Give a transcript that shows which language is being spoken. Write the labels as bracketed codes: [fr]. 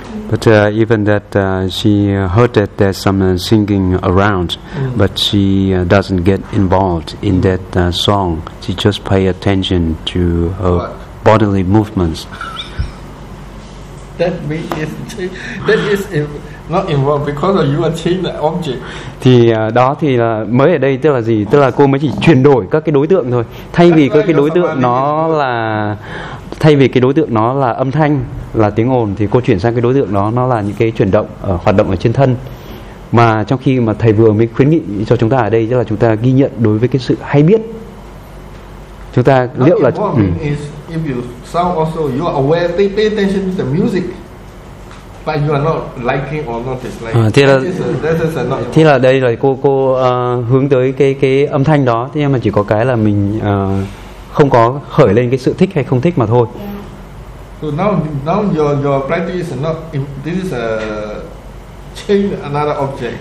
[en] But even that she heard that there's some singing around, but she doesn't get involved in that song. She just pay attention to her bodily movements. That means that is not involved because you are changing the object. [vi] Thì đó thì là mới ở đây, tức là gì? Tức là cô mới chỉ chuyển đổi các cái đối tượng thôi. Thay vì các cái đối tượng nó là, thay vì cái đối tượng nó là âm thanh, là tiếng ồn, thì cô chuyển sang cái đối tượng đó, nó là những cái chuyển động hoạt động ở trên thân. Mà trong khi mà thầy vừa mới khuyến nghị cho chúng ta ở đây, tức là chúng ta ghi nhận đối với cái sự hay biết. Chúng ta liệu là thế là đây là cô hướng tới cái âm thanh đó, thế nhưng mà chỉ có cái là mình không có khởi lên cái sự thích hay không thích mà thôi. [en] So now your practice is not, this is a change another object.